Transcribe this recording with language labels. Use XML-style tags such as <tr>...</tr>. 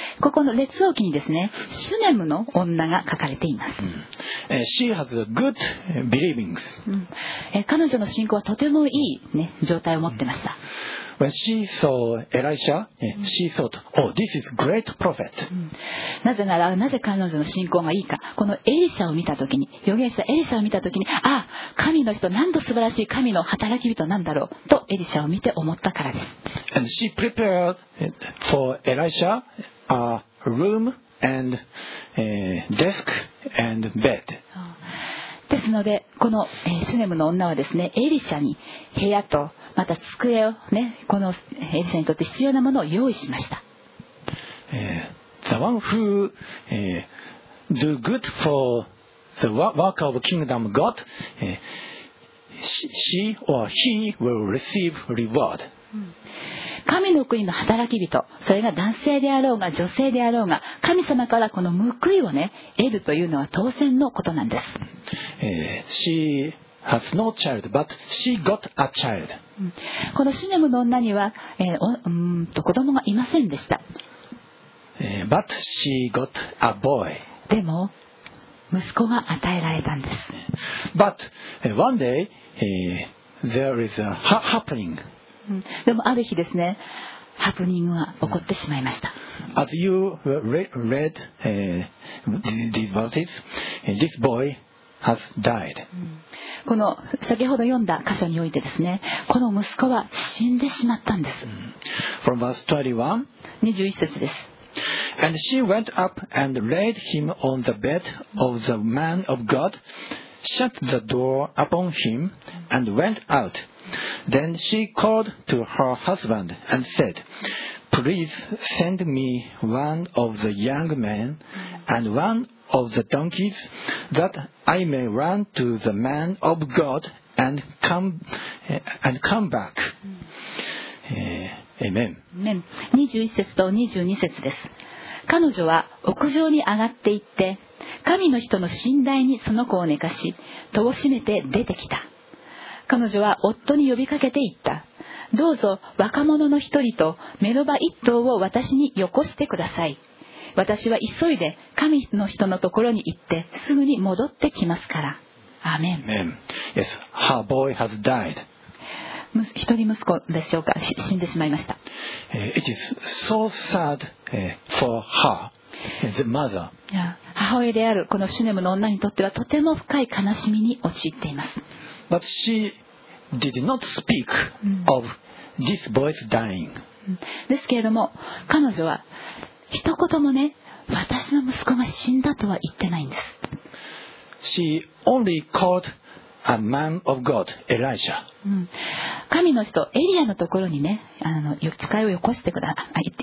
<ja>ここの列王記にですね、シュネムの女が書かれています。</ja> <en>She has a good believings.</en> <ja>彼女の信仰はとてもいい、ね、状態を持ってました。</ja> <en>When she saw Elisha, she thought, "Oh, this is great prophet."</en> <ja>なぜなら、なぜ彼女の信仰がいいか。このエリシャを見たときに、預言者エリシャを見たときに、あ、神の人、何度素晴らしい神の働き人なんだろうとエリシャを見て思ったからです。</ja> <en>And she prepared for Elisha a room and desk and bed.</en> <ja>ですので、このシュネムの女はですね、エリシャに部屋とまた机をね、このエリシャにとって必要なものを用意しました。</ja> <en>The one who do good for the work of kingdom God, she or he will receive reward.</en> <ja>神の国の働き人、それが男性であろうが女性であろうが、神様からこの報いをね、得るというのは当然のことなんです。</ja> <en>She has no child, but she got a child.</en> <ja>このシュネムの女には、子供がいませんでした。</ja> <en>But she got a boy.</en> <ja>でも息子が与えられたんです。</ja> <en>But one day there is a happening.</en> <ja>でもある日ですね、ハプニングが起こってしまいました。</ja> <en>As you read these verses, this boy. Has died.</en> <ja>この先ほど読んだ箇所においてですね、この息子は死んでしまったんです。</ja> <en>From verse 21,</en> <ja>21節です。</ja> <en>And she went up and laid him on the bed of the man of God, shut the door upon him, and went out. Then she called to her husband and said, Please send me one of the young men and one of the donkeys that I may run to the man of God and come back. Amen.</en> <ja>21節と22節です。彼女は屋上に上がっていって、神の人の寝台にその子を寝かし、戸を閉めて出てきた。彼女は夫に呼びかけて言った。どうぞ若者の一人とメロバ一頭を私によこしてください。私は急いで神の人のところに行ってすぐに戻ってきますから。アーメン。</ja> <en>Yes, her boy has died.</en> <ja>一人息子でしょうか、死んでしまいました。</ja> <en>It is so sad for her, the mother.</en> <ja>母親であるこのシュネムの女にとってはとても深い悲しみに陥っています。</ja> <en>But she did not speak of this boy's dying.</en> <ja>ですけれども、彼女は一言もね、私の息子が死んだとは言ってないんです。</ja> <en>She only called a man of God, Elijah.</en> <ja>神の人、エリアのところにね、使いをよこしてください。</ja>